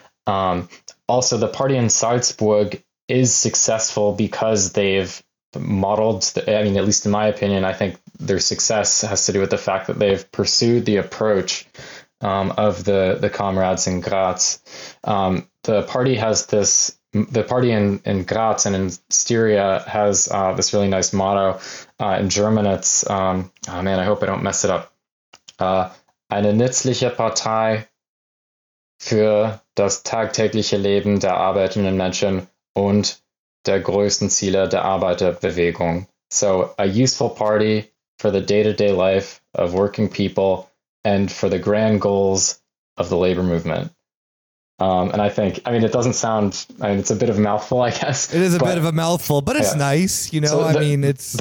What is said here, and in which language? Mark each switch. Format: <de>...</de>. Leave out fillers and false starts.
<en>Also, the party in Salzburg is successful because they've modeled, at least in my opinion, I think their success has to do with the fact that they've pursued the approach of the comrades in Graz. The party in Graz and in Styria has this really nice motto. In German, it's, I hope I don't mess it up.</en> <de>Eine nützliche Partei für das tagtägliche Leben der arbeitenden Menschen und der größten Ziele der Arbeiterbewegung.</de> <en>So, a useful party for the day-to-day life of working people and for the grand goals of the labor movement. And I think, I mean, it doesn't sound, I mean, it's a bit of a mouthful, I guess. It is a bit of a mouthful, but it's nice, you know, so it's...</en>